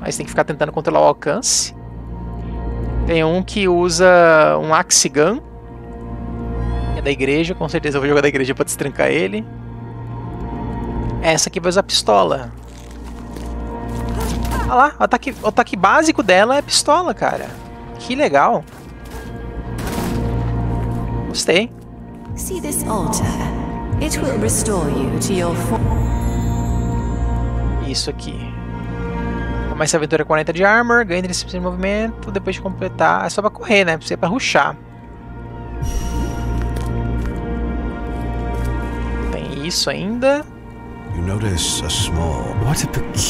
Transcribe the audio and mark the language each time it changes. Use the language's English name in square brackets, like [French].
[Portuguese] Aí você tem que ficar tentando controlar o alcance. Tem um que usa um axe gun. É da igreja. Com certeza eu vou jogar da igreja para destrancar ele. Essa aqui vai usar pistola. Olha lá, o ataque básico dela é pistola, cara. Que legal. Gostei. [English] See this altar. It will restore you to your [Portuguese] Isso aqui. Começa a aventura com 40 de armor, ganha iniciativa de movimento, depois de completar. É só pra correr, né? Precisa pra rushar. Tem isso ainda. [English] You notice a small. What a peculiar.